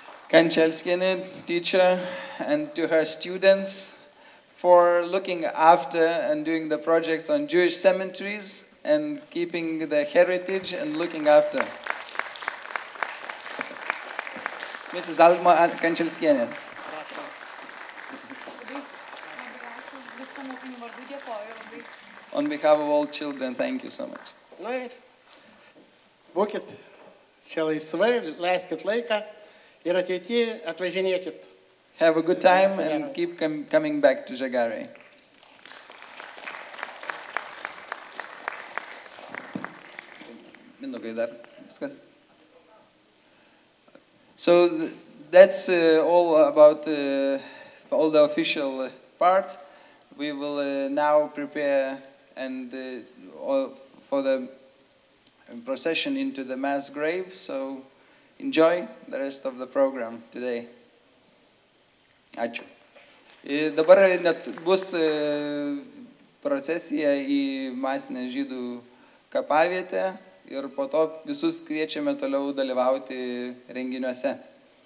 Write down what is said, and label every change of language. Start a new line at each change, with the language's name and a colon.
English: Kančelskienė, teacher, and to her students for looking after and doing the projects on Jewish cemeteries and keeping the heritage and looking after. Mrs. Alma Kančelskienė. On behalf of all children, thank you so much.
Lithuanian: Na ir būkit čia laisvai, leiskit laiką ir ateity atvažinėkit.
English: Have a good time and keep coming back to Žagarė.
Lithuanian: Mindaugai, dar viskas?
English: So that's all about all the official part. We will now prepare and for the procession into the mass grave. So enjoy the rest of the program today.
Lithuanian: Ačiū. Dabar net bus procesija į masinę žydų kapavietę ir po to visus kviečiame toliau dalyvauti renginiuose.